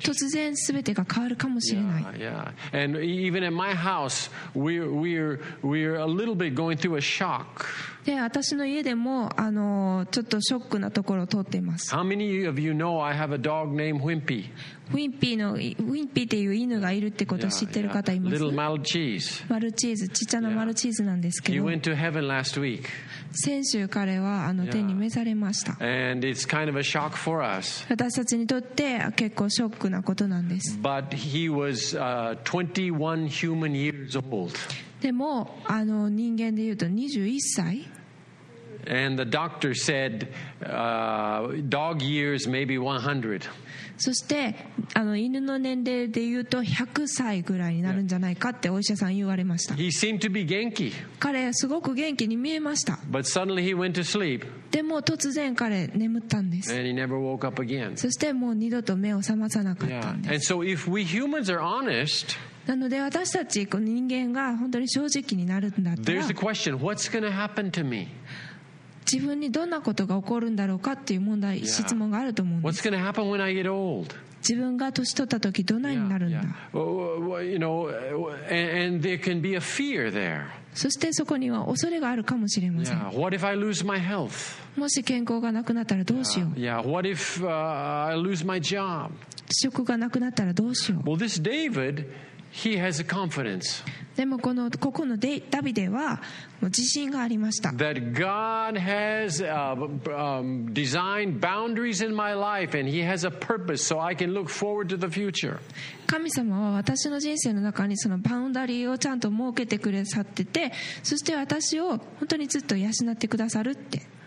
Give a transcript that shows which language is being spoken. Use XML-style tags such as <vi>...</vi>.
<ja>突然全てが変わるかもしれない。</ja> <en>Yeah. Yeah. And even in my house, we're a little bit going through a shock.</en> <ja>で私の家でもあのちょっとショックなところを通っています。</ja> <en>How many of you know I have a dog named Wimpy?</en> <ja>Wimpy っていう犬がいるってことを知ってる方います。</ja> <en>Little Maltese.</en> <ja>マルチーズ、ちっちゃなマルチーズなんですけど。</ja> <en>He went to heaven last week.</en> <ja>先週彼はあの天に召されました。</ja> <en>And it's kind of a shock for us.</en> <ja>私たちにとって結構ショックなことなんです。</ja> <en>But he was 21 human years old.</en> <ja>でもあの人間でいうと21歳。</ja> <en>And the doctor said, dog years maybe 100.</en> <ja>そしてあの犬の年齢でいうと100歳ぐらいになるんじゃないかってお医者さん言われました。</ja> <en>He seemed to be 元気。</en> <ja>彼すごく元気に見えました。</ja> <en>But suddenly he went to sleep.</en> <ja>でも突然彼眠ったんです。</ja> <en>And he never woke up again.</en> <ja>そしてもう二度と目を覚まさなかったんです。</ja> <en>Yeah. And so if we humans are honest.</en> <ja>なので私たちこの人間が本当に正直になるんだったら、</ja> <en>There's a question. What's gonna happen to me?</en> <ja>自分にどんなことが起こるんだろうかっていう問題、yeah. 質問があると思うんです。</ja> <en>What's gonna happen when I get old?</en> <ja>自分が年取った時どんなになるんだ。</ja> <en>You know, and there can be a fear there.</en> <ja>そしてそこには恐れがあるかもしれません。</ja> <en>Yeah. What if I lose my health?</en> <ja>もし健康がなくなったらどうしよう。</ja> <en>Yeah. What if I lose my job?</en> <ja>職がなくなったらどうしよう。</ja> <en>Well, this David,He has a confidence.</en> <ja>でもここのダビデは自信がありました。</ja> <en>That God has designed boundaries in my life and He has a purpose so I can look forward to the future.</en> <ja>神様は私の人生の中にそのバウンダリーをちゃんと設けてくださってて、そして私を本当にずっと養ってくださるって。</ja>